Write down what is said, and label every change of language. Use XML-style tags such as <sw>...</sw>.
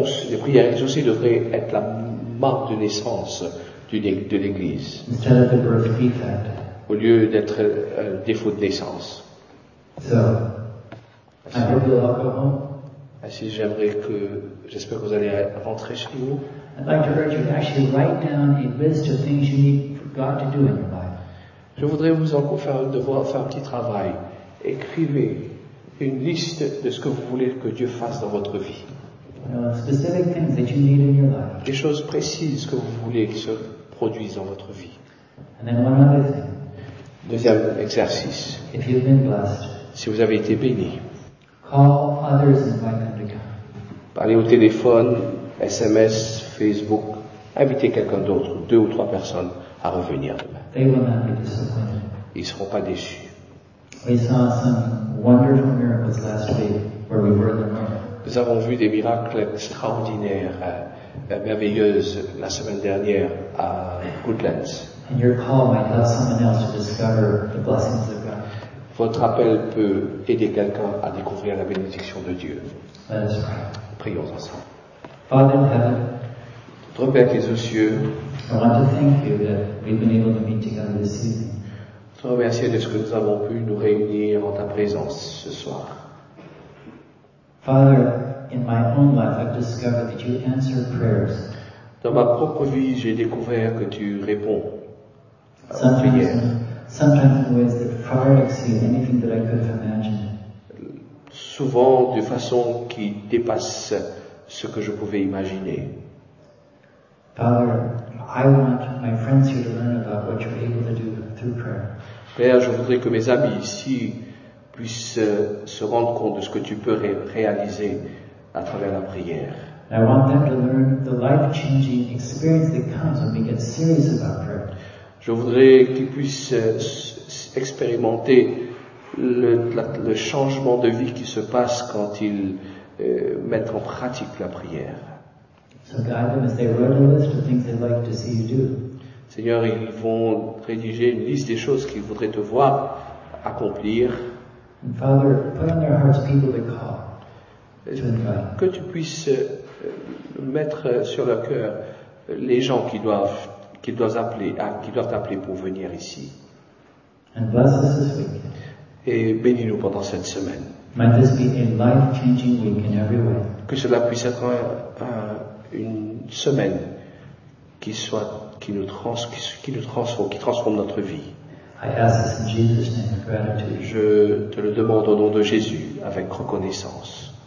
<fr>Les prières exaucées devraient être la marque de naissance de l'Église.</fr> <en>Instead of the birth defect.</en> <fr>Au lieu d'être un défaut de naissance.</fr> <en>So, I hope you'll all go home.</en> <fr>Ainsi, j'espère que vous allez rentrer chez vous.</fr> <en>I'd like to urge you to actually write down a list of things you need for God to do in your life.</en> <fr>Je voudrais vous faire un petit travail. Écrivez une liste de ce que vous voulez que Dieu fasse dans votre vie.</fr> <en>Specific things that you need in your life.</en> <fr>Des choses précises que vous voulez que se produisent dans votre vie.</fr> <en>And then one other thing.</en> <fr>Deuxième exercice.</fr> <en>If you've been blessed,</en> <fr>si vous avez été béni,</fr> <en>call others and invite them to come.</en> <fr>Parlez au téléphone, SMS, Facebook, invitez quelqu'un d'autre, deux ou trois personnes, à revenir demain.</fr> <en>They will not be disappointed.</en> <fr>Ils ne seront pas déçus.</fr> <en>We saw some wonderful miracles last week where we were in the room.</en> <fr>Nous avons vu des miracles extraordinaires, merveilleuses la semaine dernière à Goodlands.</fr> <en>And your call might help someone else to discover the blessings of God.</en> <fr>Votre appel peut aider quelqu'un à découvrir la bénédiction de Dieu.</fr> <en>Let us pray.</en> <fr>Prions ensemble.</fr> <en>Father in heaven,</en> <fr>Notre Père qui es aux cieux, je te remercie de ce que nous avons pu nous réunir en ta présence ce soir.</fr> <en>Father, in my own life, I've discovered that you answer prayers.</en> <fr>Dans ma propre vie, j'ai découvert que tu réponds aux prières.</fr> <en>Sometimes in ways that far exceed anything that I could have imagined.</en> <fr>Souvent de façon qui dépasse ce que je pouvais imaginer.</fr> <en>Father, I want my friends here to learn about what you're able to do through prayer.</en> <fr>Père, je voudrais que mes amis ici puissent se rendre compte de ce que tu peux réaliser à travers la prière.</fr> <en>I want them to learn the life-changing experience that comes when we get serious about prayer.</en> <fr>Je voudrais qu'ils puissent expérimenter le changement de vie qui se passe quand ils mettent en pratique la prière.</fr> <en>So guide them as they write a list of things they'd like to see you do.</en> <fr>Seigneur, ils vont rédiger une liste des choses qu'ils voudraient te voir accomplir.</fr> <en>And Father, put on their hearts people to call, to invite.</en> <fr>Que tu puisses mettre sur leur cœur les gens qui doivent appeler pour venir ici.</fr> <en>And bless us this week.</en> <fr>Et bénis-nous pendant cette semaine.</fr> <en>Might this be a life-changing week in every way.</en> <fr>Que cela puisse être une semaine qui transforme notre vie.</fr> <en>I ask this in Jesus' name, gratitude.</en> <fr>Je te le demande au nom de Jésus, avec reconnaissance.</fr>